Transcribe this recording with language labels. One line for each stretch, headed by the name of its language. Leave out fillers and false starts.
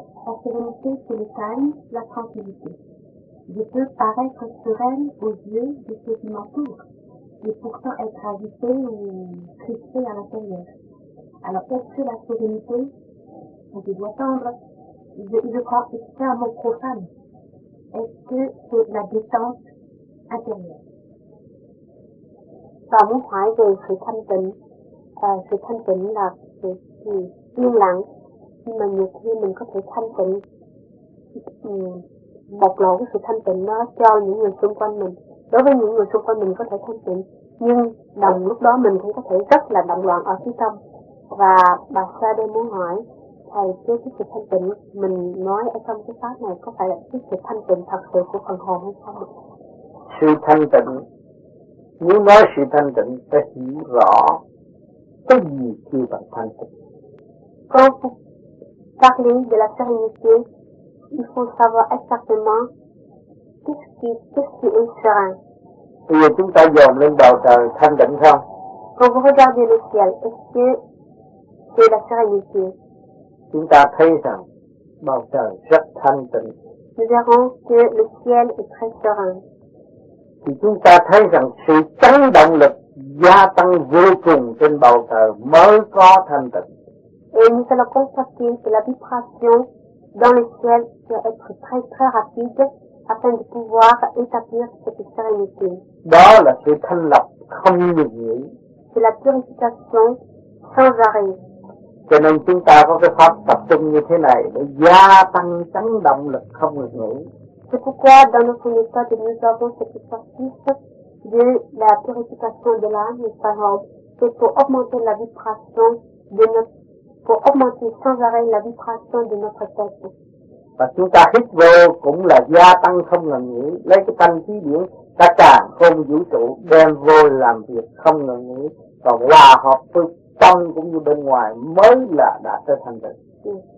French: La sérénité, c'est le calme, la tranquillité. Je peux paraître sereine aux yeux de ceux qui m'entourent, et pourtant être agitée ou crispée à l'intérieur. Alors, est-ce que la sérénité, je dois tendre, je crois que c'est un mot profane, est-ce que c'est la détente intérieure?
Vietnamese: Và muốn hỏi về sự thanh tịnh, sự thanh tịnh là sự yên lặng, nhưng mà nhiều khi mình có thể thanh tịnh, bộc lộ cái sự thanh tịnh nó cho những người xung quanh mình. Đối với những người xung quanh mình có thể thanh tịnh, nhưng đồng lúc đó mình cũng có thể rất là động loạn ở phía trong. Và bà Sa đây muốn hỏi, thầy chưa cái sự thanh tịnh mình nói ở trong cái pháp này có phải là cái sự thanh tịnh thật sự của phần hồn hay không? Sự thanh tịnh. Nếu nói sự thanh tịnh, ta hiểu rõ cái gì kêu bằng thanh tịnh.
French: Quand vous parlez de la sérénité, il faut savoir exactement qu'est-ce qui est serein.
Vietnamese: Bây giờ chúng ta dồn lên bầu trời thanh tịnh không?
French: Quand vous regardez le ciel, est-ce que c'est la sérénité?
Vietnamese: Chúng ta thấy rằng bầu trời rất thanh tịnh.
French: Nous verrons que le ciel est très serein.
Vietnamese: Thì chúng ta thấy rằng sự chấn động lực gia tăng vô cùng trên bầu trời mới có thanh tịnh.
French: Et nous allons constater que la vibration dans le ciel doit être très très rapide afin de pouvoir établir cette sérénité.
Vietnamese: Đó là sự thanh lọc không ngừng nghỉ.
French: C'est la purification sans arrêt.
Vietnamese: Cho nên chúng ta có cái pháp tập trung như thế này để gia tăng chấn động lực không ngừng nghỉ.
French: C'est pourquoi dans notre méthode nous avons cet exercice de la purification de l'âme, les paroles, c'est pour augmenter la vibration de notre, pour augmenter sans arrêt la vibration de notre tête.
Vietnamese: Và chúng ta hít vô cũng là gia tăng không ngừng nghỉ, lấy cái tâm trí biển, tất cả không vũ trụ đem vô làm việc không ngừng nghỉ, còn hòa hợp với tâm cũng như bên ngoài mới là đã trở thành tịnh.